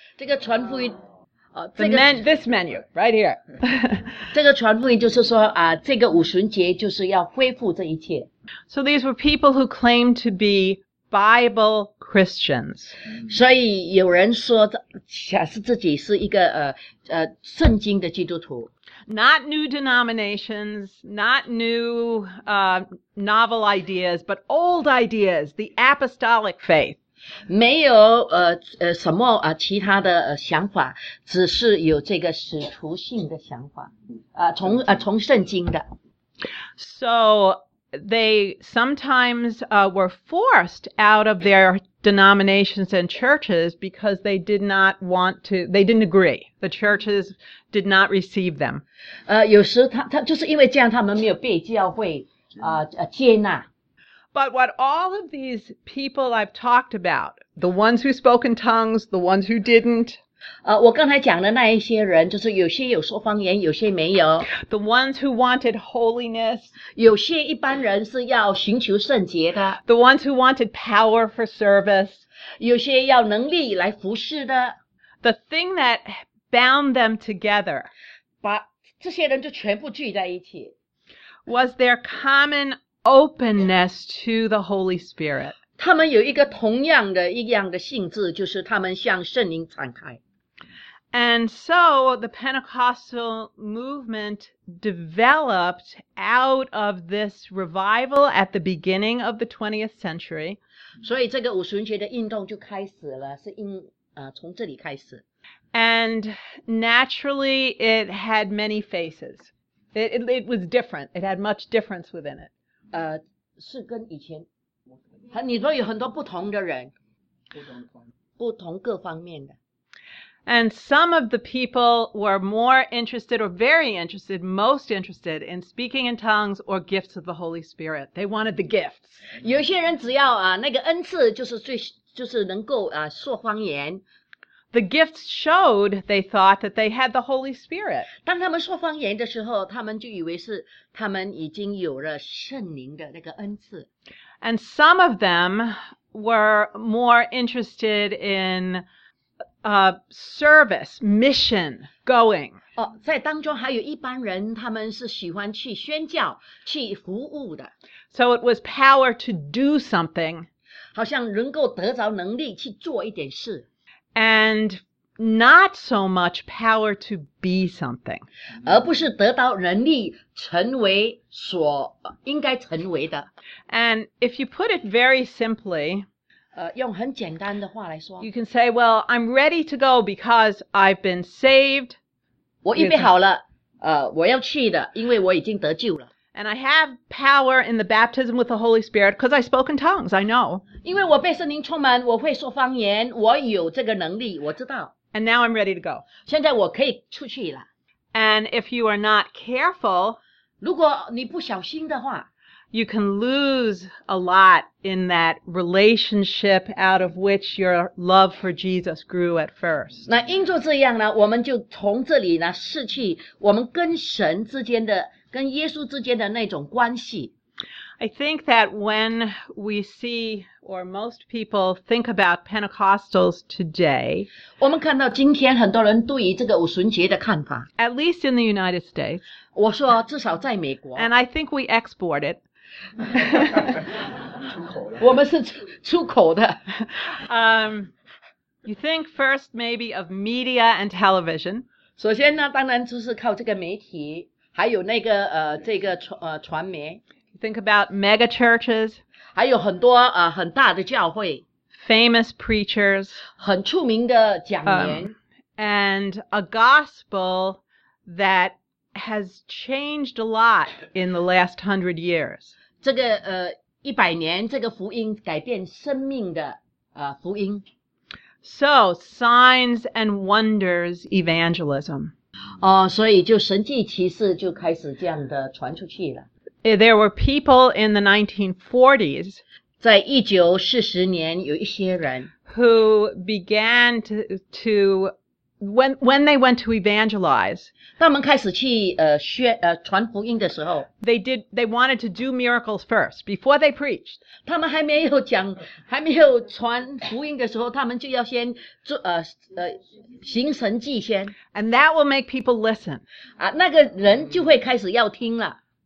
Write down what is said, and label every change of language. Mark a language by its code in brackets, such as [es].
[zh] 这个传福音 [en] This menu, right here. [zh] 这个传福音就是说这个五旬节就是要恢复这一切。 [en] So these were people who claimed to be Bible Christians. [zh] 所以有人说显示自己是一个圣经的基督徒。 [en] Not new denominations, not new novel ideas, but old ideas, the apostolic faith. [zh] 没有什么其他的想法，只是有这个使徒性的想法，从圣经的。 [en] So they sometimes were forced out of their denominations and churches because they did not want to. They didn't agree. The churches did not receive them. [zh] 有时他就是因为这样，他们没有被教会接纳。 [en] But what all of these people I've talked about, the ones who spoke in tongues, the ones who didn't, [zh] 我刚才讲的那一些人，就是有些有说方言，有些没有。 [en] The ones who wanted holiness, [zh] 有些一般人是要寻求圣洁的。 [en] The ones who wanted power for service, [zh] 有些要能力来服侍的。 [en] The thing that bound them together, [zh] 把这些人就全部聚在一起。 [en] Was their common openness to the Holy Spirit. [zh] 他们有一个同样的一样的性质，就是他们向圣灵敞开。 [en] And so the Pentecostal movement developed out of this revival at the beginning of the 20th century. [zh] 所以这个五旬节的运动就开始了，是从这里开始。 [en] And naturally it had many faces. It was different. It had much difference within it. [zh] 是跟以前，你说有很多不同的人，不同各方面的。 [en] And some of the people were more interested or very interested, most interested in speaking in tongues or gifts of the Holy Spirit. They wanted the gifts. [zh] 有些人只要那个恩赐就是能够说方言。 [en] The gifts showed, they thought, that they had the Holy Spirit. [zh] 当他们说方言的时候，他们就以为是他们已经有了圣灵的那个恩赐。 [en] And some of them were more interested in service, mission, going. [zh] 在当中还有一般人，他们是喜欢去宣教，去服务的。 [en] So it was power to do something. [zh] 好像能够得着能力去做一点事。 [en] And not so much power to be something. [zh] 而不是得到能力成为所应该成为的。 [en] And if you put it very simply, [zh] 用很简单的话来说, [en] you can say, well, I'm ready to go because I've been saved. [zh] 我预备好了,我要去的,因为我已经得救了。 [en] And I have power in the baptism with the Holy Spirit because I spoke in tongues, I know. [zh] 因为我被圣灵充满,我会说方言,我有这个能力,我知道。 [en] And now I'm ready to go. [zh] 现在我可以出去了。 [en] And if you are not careful, [zh] 如果你不小心的话, [en] you can lose a lot in that relationship out of which your love for Jesus grew at first. [zh] 那因着这样呢,我们就从这里呢,失去我们跟神之间的跟耶稣之间的那种关系。 [en] I think that when we see, or most people think about Pentecostals today, [zh] 我们看到今天很多人对于这个五旬节的看法。 [en] At least in the United States. [zh] 我说至少在美国。 [en] And I think we export it. [zh] 我们是出口的。 [en] You think first maybe of media and television. [zh] 首先呢，当然就是靠这个媒体。还有那个这个传媒 [en] ，think about mega churches， [zh] 还有很多很大的教会 [en] ，famous preachers， [zh] 很出名的讲员 [en] ，and a gospel that has changed a lot in the last 100 years。 [zh] 这个一百年，这个福音改变生命的福音。 [en] So signs and wonders evangelism。 [zh] 所以就神迹奇事就开始这样的传出去了。 [en] There were people in the 1940s, [zh] 在1940年有一些人 [en] who began to when they went to evangelize, [zh] 当他们开始去传福音的时候 [en] they wanted to do miracles first, before they preached. [zh] 他们还没有讲还没有传福音的时候他们就要先做行神迹先。 [en] And that will make people listen. [zh] 那个人就会开始要听了。